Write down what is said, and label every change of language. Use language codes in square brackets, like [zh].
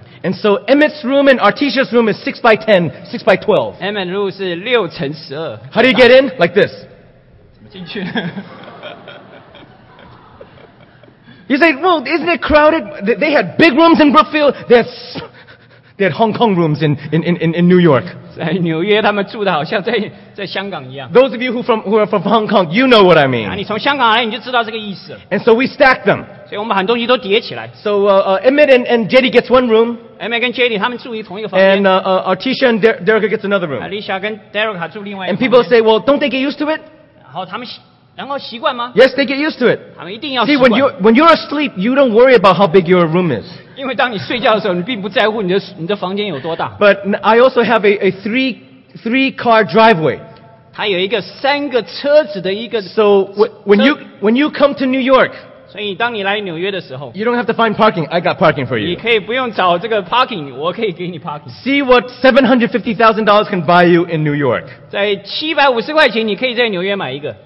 [en] And so Emmett's room and Artisha's room is 6 by 10, 6 by 12. Emmett's room is 6×12. How do you get in? Like this. [zh] 怎么进去? [en] You say, well, isn't it crowded? They had big rooms in Brookfield. They had Hong Kong rooms in New York. [zh] 在纽约他们住的好像在香港一样。 [en] Those of you who are from Hong Kong, you know what I mean. [zh] 你从香港来你就知道这个意思了。 [en] And so we stacked them. [zh] 所以我们把很多东西都叠起来。 [en] So Emmett and Jenny gets one room. Emmett and Jenny [zh] 他们住于同一个房间。 [en] And Artisha and Derek gets another room. [zh] Alicia 跟 Derek 住另外一个房间。 [en] And people say, well, don't they get used to it? [zh] 然后他们习惯吗? [en] Yes, they get used to it. [zh] 他们一定要习惯。 [en] See, when you're asleep, you don't worry about how big your room is. [zh] 因为当你睡觉的时候，你并不在乎你的房间有多大。 [en] But I also have a three car driveway. [zh] 它有一个三个车子的一个。 [en] So when you come to New York, [zh] 所以当你来纽约的时候, [en] you don't have to find parking. I got parking for you. [zh] 你可以不用找这个 parking, 我可以给你 parking. [en] See what $750,000 can buy you in New York. [zh] 在750块钱，你可以在纽约买一个。